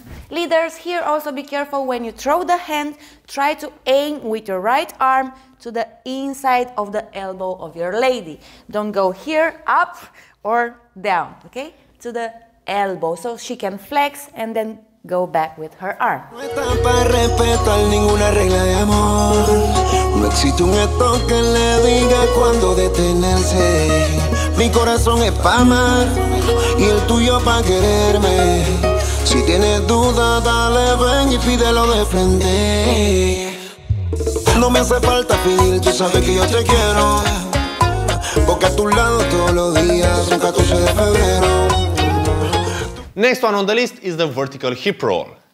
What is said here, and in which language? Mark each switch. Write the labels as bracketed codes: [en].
[en] Leaders, here also be careful when you throw the hand, try to aim with your right arm to the inside of the elbow of your lady. Don't go here, up or down, okay? To the elbow, so she can flex and then go back with her arm. [es] No está para respetar ninguna regla de amor. No existe un stop que le diga cuándo detenerse. Mi corazón es para amar y el tuyo para quererme. Si tienes duda, dale ven y pídelo de frente. No me hace falta pedir, tú sabes que yo te quiero. Porque a tu lado todos los días son 14 de febrero. [en] Next one on the list is the vertical hip roll.